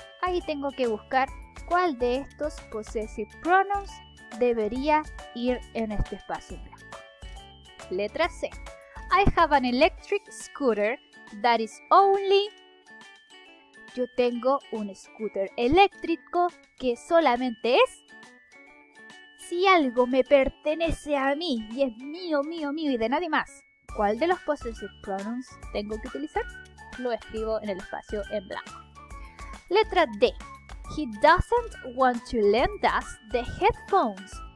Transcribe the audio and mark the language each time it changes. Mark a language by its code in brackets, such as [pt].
[es] Ahí tengo que buscar cuál de estos possessive pronouns debería ir en este espacio blanco. Letra C. [en] I have an electric scooter that is only... [es] Yo tengo un scooter eléctrico que solamente es... Si algo me pertenece a mí y es mío, mío, mío y de nadie más, ¿cuál de los possessive pronouns tengo que utilizar? Lo escribo en el espacio en blanco. Letra D. [en] He doesn't want to lend us the headphones.